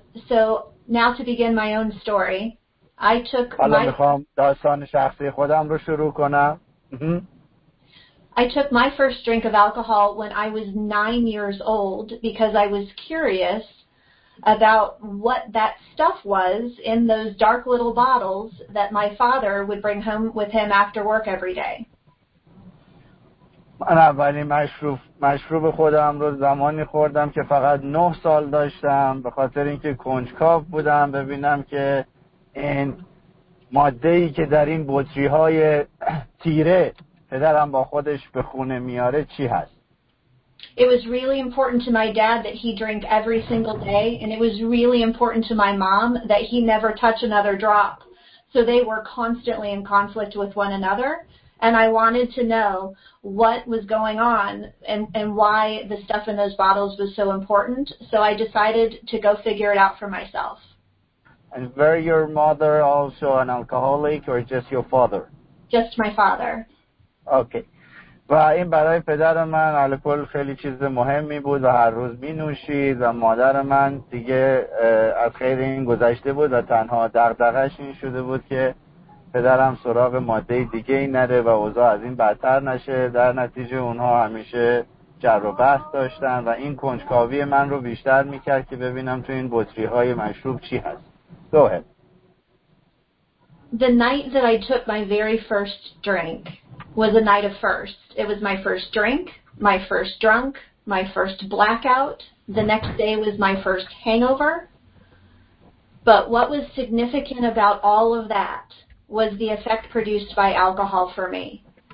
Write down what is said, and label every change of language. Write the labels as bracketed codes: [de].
[en] So now to begin my own story, I took I took my first drink of alcohol when I was 9 years old because I was curious about what that stuff was in those dark little bottles that my father would bring home with him after work every day. [fa] من اولین مشروب خودم رو زمانی خوردم که فقط 9 سال داشتم، به خاطر اینکه کنجکاو بودم ببینم که این ماده‌ای که در این بطری‌های تیره پدرم با خودش به خونه میاره چی هست. [en] It was really important to my dad that he drink every single day, and it was really important to my mom that he never touch another drop. So they were constantly in conflict with one another, and I wanted to know what was going on and why the stuff in those bottles was so important. So I decided to go figure it out for myself. And were your mother also an alcoholic or just your father? Just my father. Okay. [fa] و این برای پدر من الکل خیلی چیز مهمی بود و هر روز می نوشید و مادر من دیگه از خیر این گذشته بود و تنها دغدغه‌اش این شده بود که پدرم سراغ ماده دیگه ای نره و اوضاع از این بدتر نشه. در نتیجه اونها همیشه جر و بحث داشتن و این کنجکاوی من رو بیشتر می کرد که ببینم تو این بطری های مشروب چی هست. [en] Go ahead. The night that I took my very first drink was a night of firsts. It was my first drink, my first drunk, my first blackout. The next day was my first hangover. But what was significant about all of that was the effect produced by alcohol for me.